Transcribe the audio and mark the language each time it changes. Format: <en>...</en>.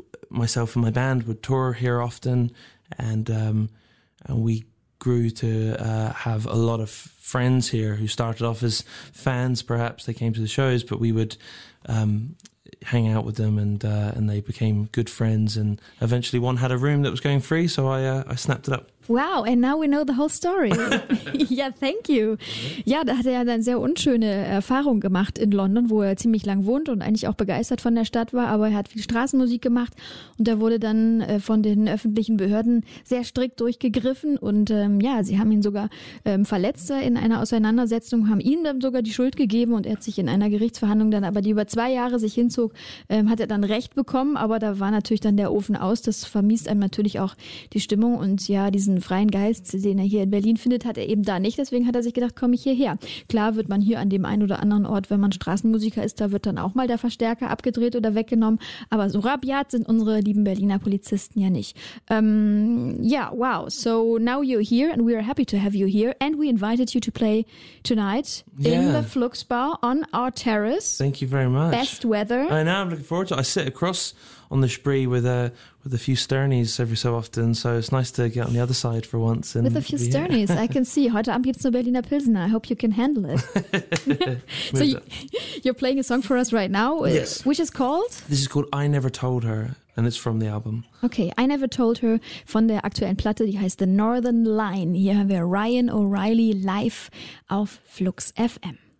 <en>Myself and my band would tour here often, and we grew to have a lot of friends here who started off as fans. Perhaps they came to the shows, but we would. Hang out with them and they became good friends and eventually one had a room that was going free, so I snapped it up. Wow, and now we know the whole story. Yeah, thank you.</en> <de>Ja, da hat er dann sehr unschöne Erfahrung gemacht in London, wo er ziemlich lang wohnt und eigentlich auch begeistert von der Stadt war, aber er hat viel Straßenmusik gemacht und er wurde dann von den öffentlichen Behörden sehr strikt durchgegriffen und sie haben ihn sogar verletzt in einer Auseinandersetzung, haben ihm dann sogar die Schuld gegeben und er hat sich in einer Gerichtsverhandlung dann aber, die über 2 Jahre sich hinzog, hat er dann Recht bekommen, aber da war natürlich dann der Ofen aus, das vermiest einem natürlich auch die Stimmung und ja, diesen freien Geist, den er hier in Berlin findet, hat er eben da nicht. Deswegen hat er sich gedacht, komme ich hierher. Klar wird man hier an dem einen oder anderen Ort, wenn man Straßenmusiker ist, da wird dann auch mal der Verstärker abgedreht oder weggenommen. Aber so rabiat sind unsere lieben Berliner Polizisten ja nicht. Wow.</de> <en>So now you're here and we are happy to have you here. And we invited you to play tonight in the Flux Bar on our terrace. Thank you very much. Best weather. I know, I'm looking forward to it. I sit across on the Spree with a few Sternies every so often, so it's nice to get on the other side for once. And with a few Sternies, I can see.</en> <de>Heute Abend gibt's nur Berliner Pilsner.</de> <en>I hope you can handle it. So you're playing a song for us right now, yes. Which is called? This is called I Never Told Her, and it's from the album.</en> <de>Okay, I Never Told Her von der aktuellen Platte, die heißt The Northern Line. Hier haben wir Ryan O'Reilly live auf Flux FM.</de>